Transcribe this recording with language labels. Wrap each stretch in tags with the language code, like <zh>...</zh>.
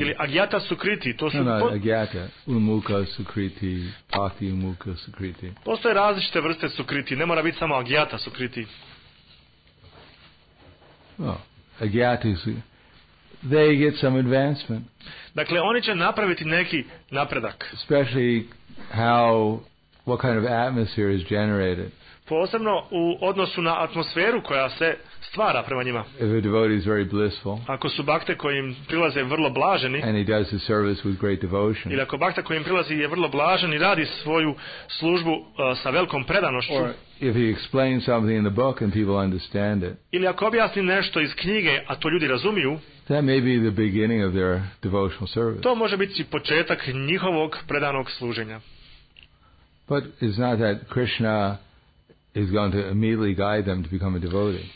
<bs>Ili agyata sukriti, to su</bs> <sa>agyata, umuka sukriti, bhakti umuka sukriti.</sa> <bs>Postoje različite vrste sukriti, ne mora biti samo agyata sukriti.</bs> <en>Oh, agyati sukriti. They get some advancement.</en> <bs>Dakle, oni će napraviti neki napredak.</bs> <en>Especially how, what kind of atmosphere is generated.</en> <bs>Posebno u odnosu na atmosferu koja se stvara prema njima.</bs> <en>If a devotee is very blissful,</en> <bs>ako su bhakte kojim prilaze vrlo blaženi,</bs> <en>and he does his service with great devotion,</en> <bs>ili ako bhakta kojim prilazi je vrlo blažen i radi svoju službu sa velikom predanošću,</bs> <en>or if he explains something in the book and people understand it,</en> <bs>ili ako objasni nešto iz knjige, a to ljudi razumiju,</bs> <en>that may be the beginning of their devotional service.</en> <bs>To može biti početak njihovog predanog služenja.</bs> <en>But it's not that Krishna is going to immediately guide them to become a devotee.</en>